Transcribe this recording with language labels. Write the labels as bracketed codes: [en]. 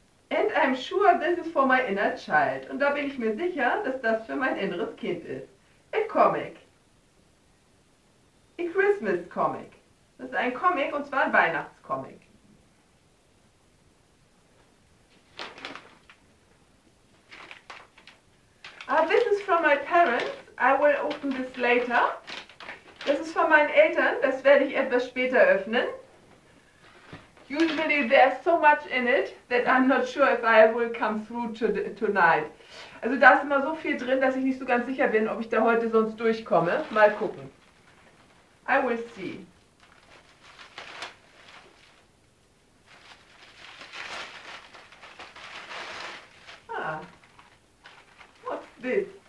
[en] And I'm sure this is for my inner child. [de] Und da bin ich mir sicher, dass das für mein inneres Kind ist. [en] A comic. A Christmas comic. [de] Das ist ein Comic und zwar ein Weihnachtscomic. [en] This is from my parents. I will open this later. [de] Das ist von meinen Eltern. Das werde ich etwas später öffnen. [en] Usually there's so much in it that I'm not sure if I will come through tonight. [de] Also da ist immer so viel drin, dass ich nicht so ganz sicher bin, ob ich da heute sonst durchkomme. Mal gucken. [en] I will see. Ah. What's this?